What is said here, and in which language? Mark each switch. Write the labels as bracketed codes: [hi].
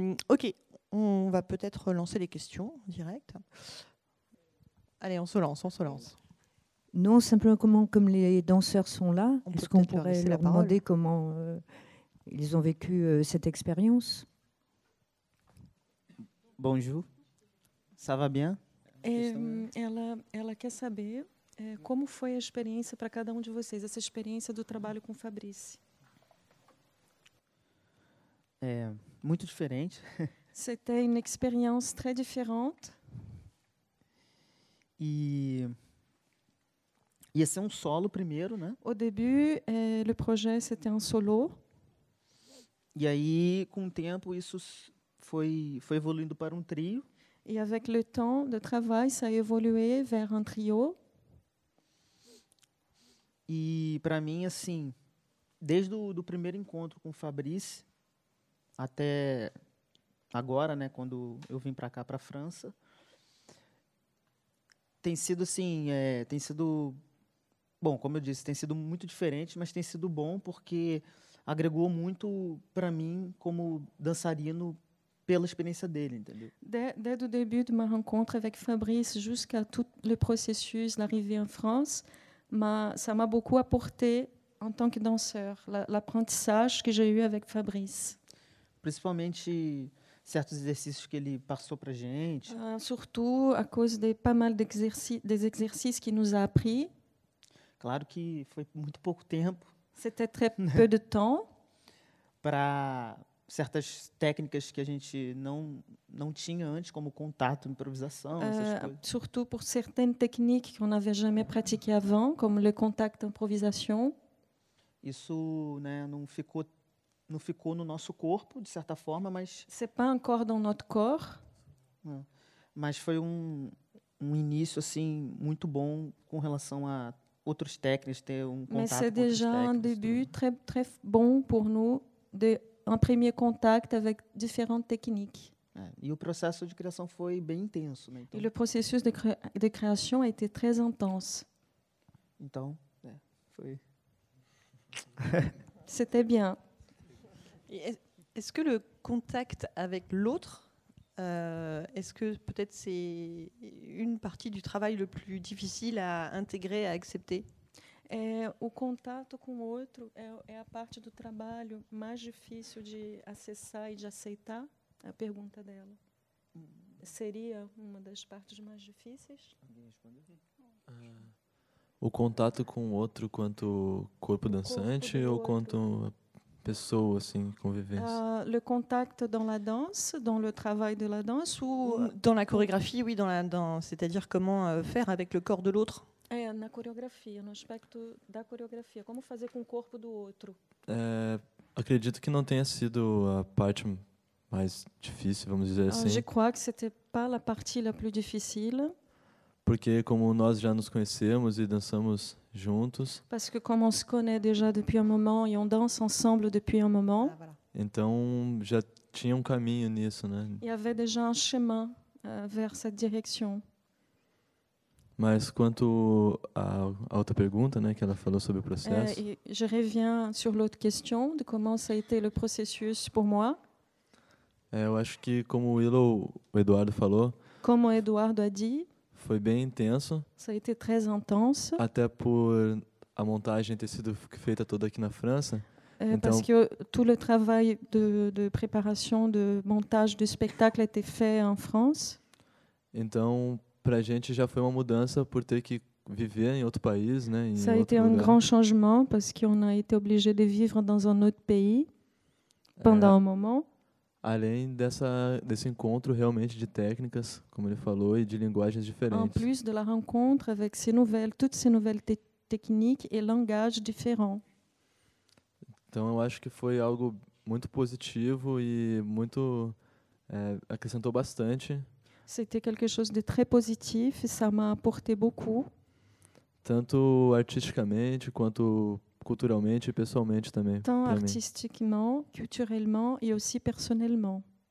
[fr] ok, on va peut-être lancer les questions directes. Allez, on se lance. Non, simplement comme les danseurs sont là, est-ce qu'on pourrait leur demander comment ils ont vécu cette expérience ? Bonjour, ça va bien ? [pt] Ela quer saber como foi a experiência para cada de vocês, essa experiência do trabalho com Fabrice. É muito diferente. [fr] C'était une expérience très différente. [pt] Ia ser solo primeiro, né? [fr] Au début, le projet c'était un solo. [pt] E aí, com o tempo, isso foi evoluindo para trio. [fr] Et avec le temps de travail, ça a évolué vers un trio. [pt] E para mim, assim, desde do primeiro encontro com o Fabrice até agora, né, quando eu vim para cá, para a França, tem sido assim, tem sido bom, como eu disse, tem sido muito diferente, mas tem sido bom porque agregou muito para mim como dançarino pela experiência dele, entendeu? Desde o [fr] début de ma rencontre avec Fabrice jusqu'à tout le processus d'arrivée en France, ça m'a beaucoup apporté en tant que danseur, l'apprentissage que j'ai eu avec Fabrice. [pt] Principalmente certos exercícios que ele passou para gente. [fr] Surtout à cause de pas mal des exercices qu'il nous a appris. [pt] Claro que foi muito pouco tempo. [fr] C'était très peu de temps. [pt] Para certas técnicas que a gente não tinha antes, como contato, improvisação, essas coisas. [fr] Surtout pour certaines techniques qu'on n'avait jamais pratiquées avant, comme le contact, improvisation. [pt] Isso, né, não ficou no nosso corpo, de certa forma, mas... [fr] C'est pas encore dans notre corps. [pt] Mas foi um início, assim, muito bom com relação a outras técnicas, ter contato com outras técnicas. Mas é [fr] déjà um début très, très bon pour nous, un premier contact avec différentes techniques. [pt] E o processo de criação foi bem intenso, né? Então, [fr] le processus de création a été très intense. [pt] Então, foi... [fr] C'était bien. Est-ce que le contact avec l'autre, est-ce que peut-être c'est une partie du travail le plus difficile à intégrer, à accepter ? [pt] O contato com o outro é a parte do trabalho mais difícil de acessar e de aceitar, a pergunta dela. Seria uma das partes mais difíceis? O contato com o outro quanto corpo dançante ou quanto... pessoa, assim, convivência. [fr] Le contact dans la danse, dans le travail de la danse ou dans la chorégraphie, oui, dans la danse, c'est-à-dire comment faire avec le corps de l'autre. [pt] Na coreografia, no aspecto da coreografia, como fazer com o corpo do outro. Acredito que não tenha sido a parte mais difícil, vamos dizer assim. [fr] Je crois que c'était pas la partie la plus difficile. [pt] Porque como nós já nos conhecemos e dançamos juntos. [fr] Parce que comme on se connaît déjà depuis un moment et on danse ensemble depuis un moment. Ah, voilà. [pt] Então já tinha caminho nisso, né? [fr] Il y avait déjà un chemin vers cette direction. [pt] Mas quanto à outra pergunta, né, que ela falou sobre o processo? [fr] Je reviens sur l'autre question de comment ça a été le processus pour moi. [pt] Eu acho que como o Eduardo falou. Como o Eduardo [fr] a dit. [pt] Foi bem intenso. [fr] Ça a été très intense. [pt] Até por a montagem ter sido feita toda aqui na França. Então, [fr] parce que tout le travail de préparation de montage du spectacle a été fait en France. [pt] Então, pra gente já foi uma mudança por ter que viver em outro país, né, em outro lugar. [fr] Ça a été un grand changement parce qu'on a été obligé de vivre dans un autre pays pendant un moment. [pt] Além desse encontro realmente de técnicas, como ele falou, e de linguagens diferentes. [fr] En plus de la rencontre avec toutes ces nouvelles techniques et langages différents. [pt] Então eu acho que foi algo muito positivo e muito acrescentou bastante. [fr] C'était quelque chose de très positif et ça m'a apporté beaucoup. [pt] Tanto artisticamente quanto [fr] culturellement et personnellement [pt] também. [fr] Tant artistiquement, culturellement et aussi personnellement.